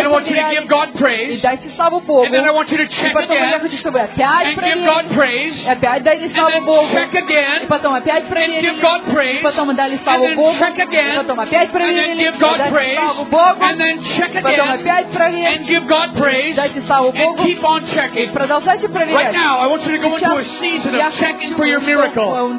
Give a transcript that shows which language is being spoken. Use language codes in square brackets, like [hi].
[en] And I want you to give God praise. [ru] И дайте славу Богу. [en] And then I want you to check again. [ru] Я хочу, чтобы вы опять проверили. [en] And give God praise. [ru] И опять дайте славу Богу. [en] And then check again. [ru] И потом опять проверили. [en] And give God praise. [ru] И потом дали славу Богу. [en] And then check again. [ru] И потом опять проверили. [en] And then give God praise. [ru] Богу. [en] And then check again. [ru] И потом опять проверили. [en] And give God praise. [ru] Дайте славу Богу. [en] And keep on checking. [ru] И продолжайте проверять. [en] Right now, I want you to go into a season of checking for your miracle.